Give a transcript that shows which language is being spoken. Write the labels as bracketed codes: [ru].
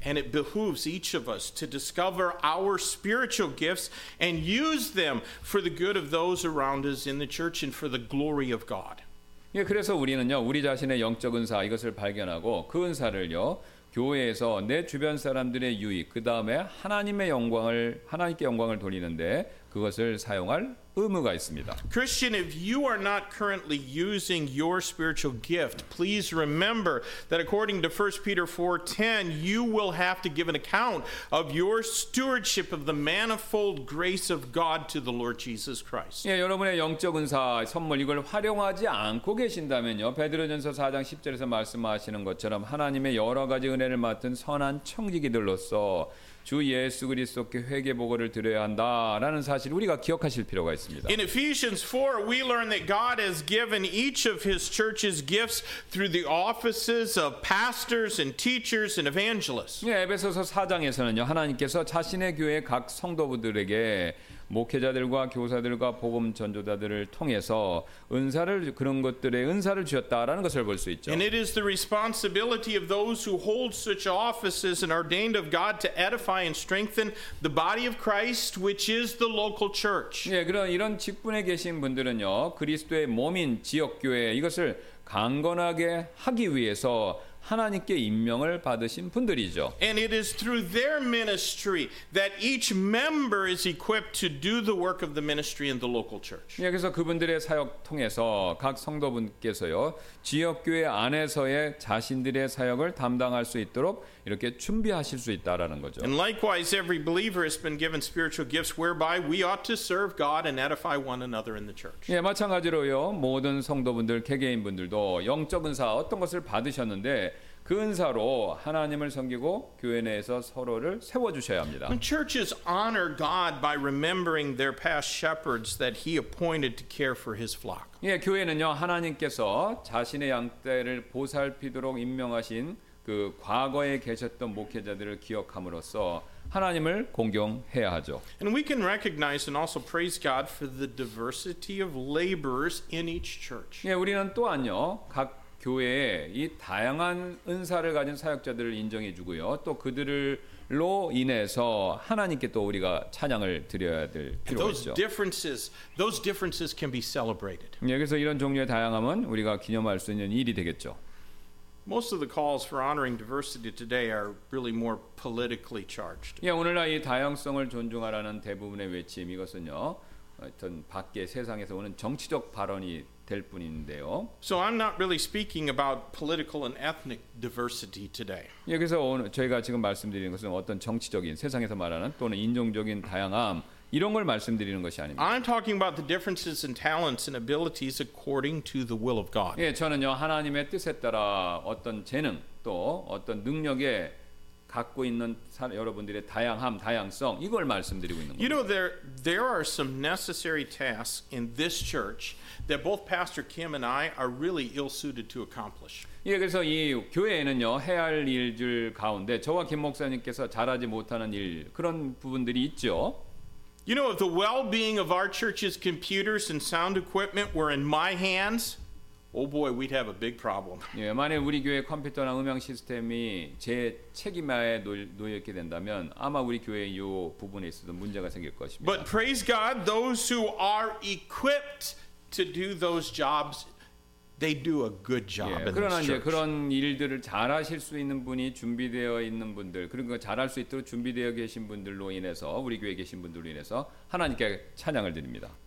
[en] And it behooves each of us to discover our spiritual gifts and use them for the good of those around us in the church and for the glory of God. [ko] 예, 그래서 우리는요, 우리 자신의 영적 은사 이것을 발견하고 그 은사를요 교회에서 내 주변 사람들의 유익 그 다음에 하나님의 영광을 하나님께 영광을 돌리는데 그것을 사용할 의무가 있습니다. [en] Christian, if you are not currently using your spiritual gift, please remember that according to 1 Peter 4:10, you will have to give an account of your stewardship of the manifold grace of God to the Lord Jesus Christ. [ko] 예, 여러분의 영적 은사 선물 이걸 활용하지 않고 계신다면요, 베드로전서 4장 10절에서 말씀하시는 것처럼 하나님의 여러 가지 은혜를 맡은 선한 청지기들로서 주 예수 그리스도께 회개 보고를 드려야 한다라는 사실 우리가 기억하실 필요가 있습니다. [en] In Ephesians 4, we learn that God has given each of His church's gifts through the offices of pastors and teachers and evangelists. [ko] 예, 에베소서 4장에서는요 하나님께서 자신의 교회 각 성도분들에게 목회자들과 교사들과 복음 전도자들을 통해서 은사를 그런 것들의 은사를 주었다라는 것을 볼 수 있죠. [en] And it is the responsibility of those who hold such offices and ordained of God to edify and strengthen the body of Christ, which is the local church. [ko] 예, 그런 이런 직분에 계신 분들은요, 그리스도의 몸인 지역 교회 이것을 강건하게 하기 위해서 하나님께 임명을 받으신 분들이죠. [en] And it is through their ministry that each member is equipped to do the work of the ministry in the local church. [ko] 예, 그래서 그분들의 사역 통해서 각 성도분께서요 지역교회 안에서의 자신들의 사역을 담당할 수 있도록 이렇게 준비하실 수 있다라는 거죠. [en] And likewise, every believer has been given spiritual gifts whereby we ought to serve God and edify one another in the church. [ko] 예, 마찬가지로요 모든 성도분들 개개인분들도 영적 은사 어떤 것을 받으셨는데 그 은사로 하나님을 섬기고 교회 내에서 서로를 세워 주셔야 합니다. [en] When churches honor God by remembering their past shepherds that He appointed to care for His flock. [ko] 예, 교회는요 하나님께서 자신의 양떼를 보살피도록 임명하신 그 과거에 계셨던 목회자들을 기억함으로써 하나님을 공경해야 하죠. [en] And we can recognize and also praise God for the diversity of laborers in each church. [ko] 예, 우리는 또한요 각 교회에 이 다양한 은사를 가진 사역자들을 인정해 주고요. 또 그들로 인해서 하나님께 또 우리가 찬양을 드려야 될 필요가 있죠. [en] Those differences can be celebrated. [ko] 예, 그래서 이런 종류의 다양함은 우리가 기념할 수 있는 일이 되겠죠. [en] Most of the calls for honoring diversity today are really more politically charged. [ko] 예, 오늘날 이 다양성을 존중하라는 대부분의 외침 이것은요. 어떤 밖에 세상에서 오는 정치적 발언이 될 뿐인데요. [en] So I'm not really speaking about political and ethnic diversity today. [ko] 여기서 오늘 저희가 지금 말씀드리는 것은 어떤 정치적인 세상에서 말하는 또는 인종적인 다양함 이런 걸 말씀드리는 것이 아닙니다. [en] I'm talking about the differences in talents and abilities according to the will of God. [ko] 예, 저는요 하나님의 뜻에 따라 어떤 재능 또 어떤 능력에 갖고 있는 여러분들의 다양함, 다양성 이걸 말씀드리고 있는 겁니다. [en] You know, there are some necessary tasks in this church that both Pastor Kim and I are really ill-suited to accomplish. [ko] 예, 그래서 이 교회에는요 해야 할 일들 가운데 저와 김 목사님께서 잘하지 못하는 일 그런 부분들이 있죠. [en] You know, if the well-being of our church's computers and sound equipment were in my hands, oh boy, we'd have a big problem. [ko] 예, 만약 우리 교회 컴퓨터나 음향 시스템이 제 책임하에 놓였게 된다면 아마 우리 교회의 이 부분에 있어도 문제가 생길 것입니다. [en] But praise God, those who are equipped to do those jobs, they do a good job. [ko] 예, 그러나 이제 그런 일들을 잘하실 수 있는 분이 준비되어 있는 분들, 그런 거 잘할 수 있도록 준비되어 계신 분들로 인해서 우리 교회에 계신 분들로 인해서 하나님께 찬양을 드립니다.